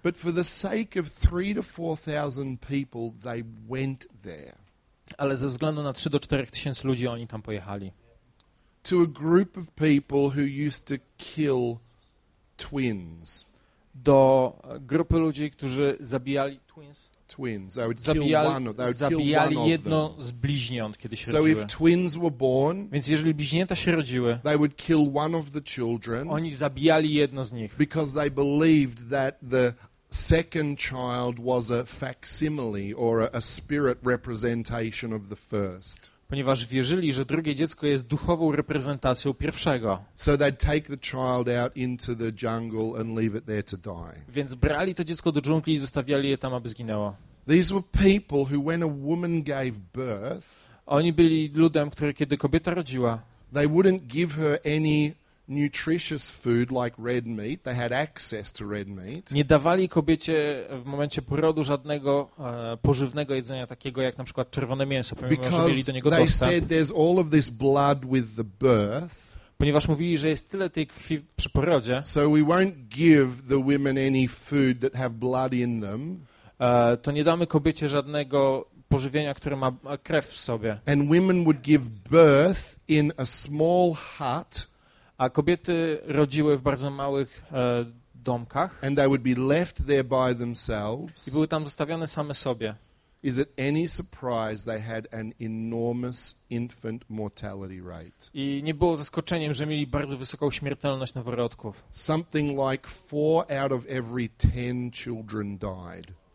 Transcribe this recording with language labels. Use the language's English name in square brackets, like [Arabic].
[English] But for the sake of 3,000 to 4,000 people, they went there. [Polish] Ale ze względu na 3,000 do 4,000 ludzi oni tam pojechali. [English] To a group of people who used to kill twins. [Polish] Do grupy ludzi, którzy zabijali [English] twins. twins. They would kill one. They would kill one [Polish] jedno [English] of them. [Polish] Z bliźniąt, kiedy się [English] so [Polish] rodziły. [English] If twins were born, [Polish] więc jeżeli bliźnięta się rodziły, [English] they would kill one of the children. [Polish] Oni zabijali jedno z nich. [English] Because they believed that the second child was a facsimile or a spirit representation of the first. [Polish] Ponieważ wierzyli, że drugie dziecko jest duchową reprezentacją pierwszego. [English] So they'd take the child out into the jungle and leave it there to die. [Polish] Więc brali to dziecko do dżungli i zostawiali je tam, aby zginęło. [English] These were people who, when a woman gave birth, [Polish] oni byli ludem, który kiedy kobieta rodziła, [English] they wouldn't give her any nutritious food like red meat. They had access to red meat. [Polish] Nie dawali kobiecie w momencie porodu żadnego pożywnego jedzenia takiego jak na przykład czerwone mięso, pomimo że mieli do niego dostęp. [English] They said there's all of this blood with the birth. [Polish] Ponieważ mówili, że jest tyle tej krwi przy porodzie. [English] So we won't give the women any food that have blood in them. [Polish] To nie damy kobiecie żadnego pożywienia, które ma krew w sobie. [English] And women would give birth in a small hut. [Polish] A kobiety rodziły w bardzo małych domkach. [English] And they would be left there by themselves. [Polish] I były tam zostawione same sobie. [English] Is it any surprise they had an enormous infant mortality rate? [Polish] I nie było zaskoczeniem, że mieli bardzo wysoką śmiertelność noworodków. [English] Something like 4 out of every 10 children died.